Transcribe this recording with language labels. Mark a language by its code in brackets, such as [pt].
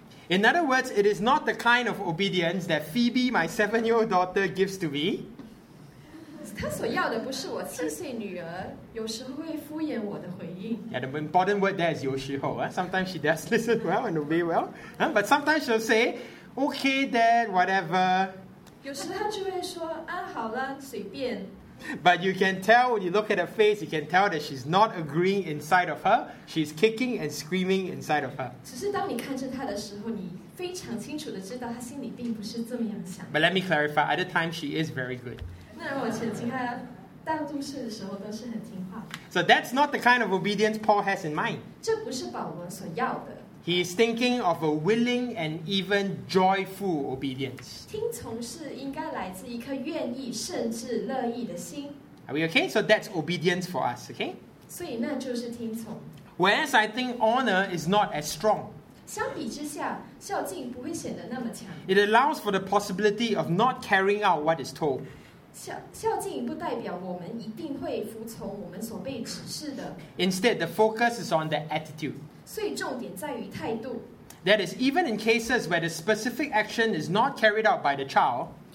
[en] In other words, it is not the kind of obedience that Phoebe, my 7-year-old daughter, gives to me. [zh] 他所要的不是我七岁女儿有时候会敷衍我的回应。 [en] Yeah, the important word there is 有时候 Sometimes she does listen well and obey well, but sometimes she'll say, "Okay, Dad, whatever." [zh] 有时他就会说啊，好了，随便。 [en] But you can tell when you look at her face, you can tell that she's not agreeing inside of her. She's kicking and screaming inside of her. [zh] 只是当你看着她的时候，你非常清楚的知道她心里并不是这么样想。 [en] But let me clarify. At the time, she is very good. [zh] 那我曾经她大度事的时候都是很听话。 [en] So that's not the kind of obedience Paul has in mind. [zh] 这不是保罗所要的。 [en] He is thinking of a willing and even joyful obedience. [zh] 听从是应该来自一颗愿意甚至乐意的心。 [en] Are we okay? So that's obedience for us, okay? [zh] 所以那就是听从。 [en] Whereas I think honor is not as strong. [zh] 相比之下，孝敬不会显得那么强。 [en] It allows for the possibility of not carrying out what is told. [zh] 孝敬不代表我们一定会服从我们所被指示的。 [en] Instead, the focus is on the attitude. [zh] 所以重点在于态度。 [en] That is, even in cases where the specific action is not carried out by the child,